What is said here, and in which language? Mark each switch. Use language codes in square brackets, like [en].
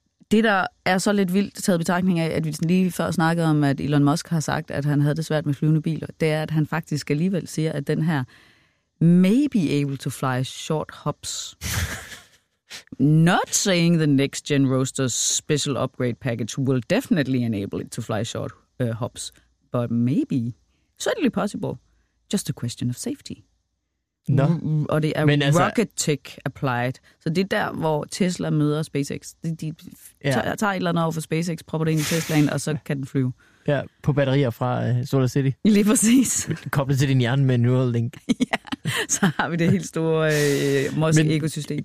[da] Det, der er så lidt vildt taget betragtning af, at vi lige før snakkede om, at Elon Musk har sagt, at han havde det svært med flyvende biler, det er, at han faktisk alligevel siger, at den her... [en] Maybe able to fly short hops. Not saying the next gen Roadster's special upgrade package will definitely enable it to fly short hops, but maybe, certainly possible, just a question of safety. No. [da] Og det er [en] rocket tech applied. [da] Så det er der, hvor Tesla møder SpaceX. De tager et eller andet over for SpaceX, propper det ind i Teslaen, og så kan den flyve. Ja, på batterier fra Solar City. Lige præcis. Koblet til din hjerne med Neuralink. Ja, så har vi det helt store Musk-ekosystem.